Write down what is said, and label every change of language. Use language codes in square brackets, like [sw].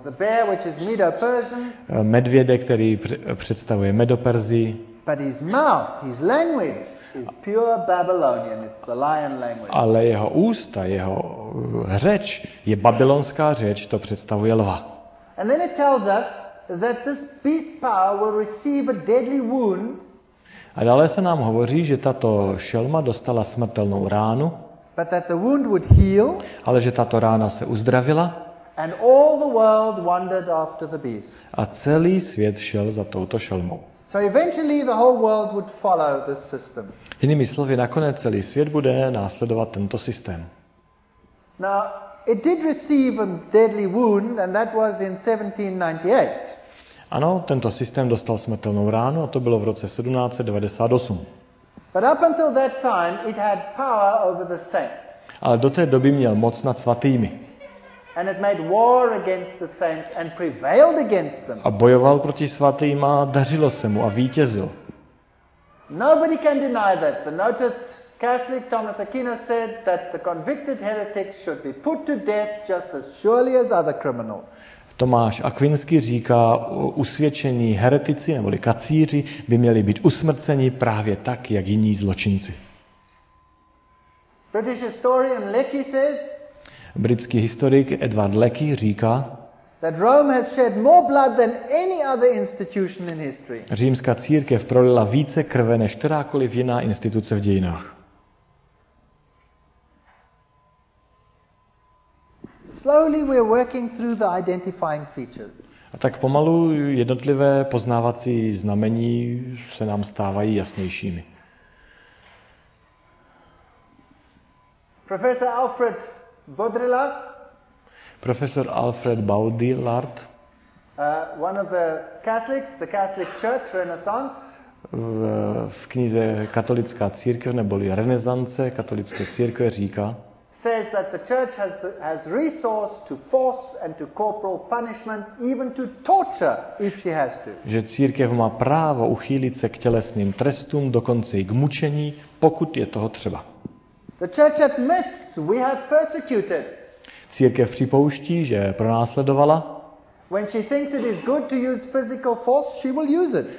[en] The bear, which is Medo-Persian. [cs] Medvěde, který představuje Medo-Persii. [en] But his mouth, his language is pure Babylonian. It's the lion language. [cs] Ale jeho ústa, jeho řeč je babylonská řeč, to představuje lva. [en] And then it tells us that this beast power will receive a deadly wound. [cs] A dále se nám hovoří, že tato šelma dostala smrtelnou ránu. [en] But that the wound would heal. [cs] Ale že tato rána se uzdravila. [en] And all the world wandered after the beast. [cs] A celý svět šel za touto šelmou. [en] So eventually the whole world would follow this system. [cs] Jinými slovy, nakonec celý svět bude následovat tento systém. [en] Now, it did receive a deadly wound, and that was in 1798. [cs] Ano, tento systém dostal smrtelnou ránu, a to bylo v roce 1798. [en] But up until that time, it had power over the saints. [cs] Ale do té doby měl moc nad svatými. [en] And it made war against the saints and prevailed against them. [cs] A bojoval proti svatým a dařilo se mu a vítězil. [en] Nobody can deny that. The noted Catholic Thomas Aquinas said that the convicted heretics should be put to death just as surely as other criminals. [cs] Tomáš Akvinský říká, usvědčení heretici neboli kacíři by měli být usmrceni právě tak, jak jiní zločinci. [en] British historian Lecky says, [cs] britský historik Edward Lecky říká, [en] that Rome has shed more blood than any other institution in history. [cs] Římská církev prolila více krve než kterákoliv jiná instituce v dějinách. [en] Slowly we're working through the identifying features. [cs] A tak pomalu jednotlivé poznávací znamení se nám stávají jasnějšími. Profesor Alfred Baudrillard. [en] One of the Catholics, the Catholic Church Renaissance. [cs] V knize Katolická církev neboli Renesance katolické církve říká. [en] Says that the church has resource to force and to corporal punishment, even to torture if she has to. [cs] Že církev má právo uchýlit se k tělesným trestům, dokonce i k mučení, pokud je toho třeba. [en] The church admits we have persecuted. [cs] Církev připouští, že pronásledovala. [en] When she thinks it is good to use physical force, she will use it.